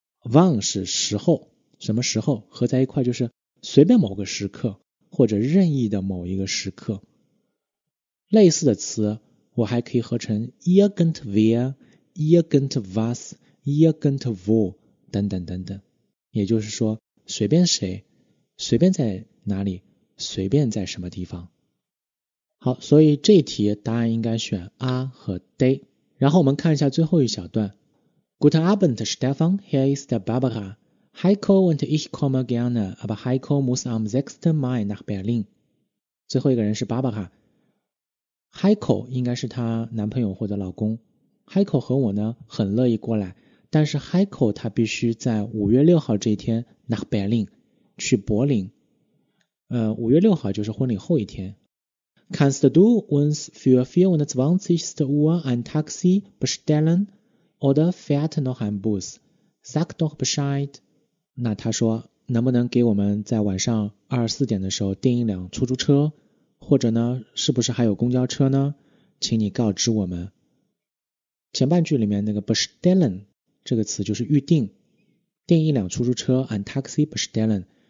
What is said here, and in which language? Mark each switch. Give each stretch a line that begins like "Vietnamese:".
Chinese: 忘是时候什么时候合在一块就是随便某个时刻或者任意的某一个时刻类似的词我还可以合成 irgendwer irgendwas irgendwo 等等等等也就是说随便谁随便在哪里随便在什么地方好所以这题答案应该选 a 和 day 然后我们看一下最后一小段
German: Guten Abend, Stefan. Hier ist Barbara. Heiko und ich komme gerne, aber Heiko muss am 6. Mai nach Berlin.
Chinese: 最后一个人是 Barbara. Heiko 应该是她男朋友或者老公。 Heiko 和我呢很乐意过来，但是 Heiko 他必须在5月6号这一天
German: nach Berlin
Chinese: 去柏林。5月6号就是婚礼后一天。
German: Kannst du uns für 24. Uhr ein Taxi bestellen oder fährt noch ein Bus? Sag doch Bescheid.
Chinese: 那他说，能不能给我们在晚上24点的时候订一辆出租车？或者呢，是不是还有公交车呢？请你告知我们。前半句里面那个 bestellen 这个词就是预定，订一辆出租车 ，
German: ein Taxi bestellen。